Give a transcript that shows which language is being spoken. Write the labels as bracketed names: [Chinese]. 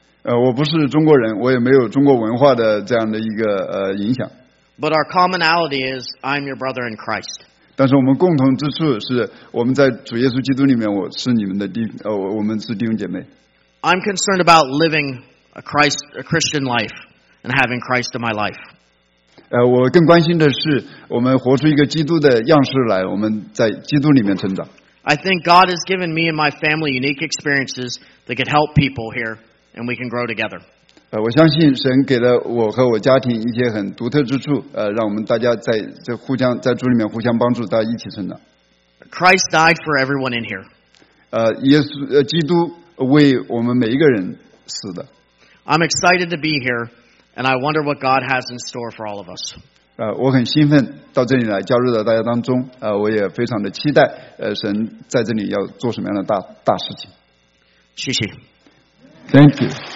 [Chinese] 我不是中国人，我也没有中国文化的这样的一个影响。 [English] But our commonality is I'm your brother in Christ. [Chinese] 但是我们共同之处是我们在主耶稣基督里面，我是你们的我们是弟兄姐妹。 [English] I'm concerned about living a Christian life and having Christ in my life. [Chinese] 我更关心的是我们活出一个基督的样式来，我们在基督里面成长。 [English] I think God has given me and my family unique experiences that could help people here, and we can grow together. [Chinese] 我相信神给了我和我家庭一些很独特之处，让我们大家在主里面互相帮助，大家一起成长。 [English] Christ died for everyone in here. [Chinese] 基督为我们每一个人死的。 [English] I'm excited to be here, and I wonder what God has in store for all of us. [Chinese] 我很兴奋到这里来加入到大家当中，我也非常的期待，神在这里要做什么样的大事情。谢谢。 [English] Thank you.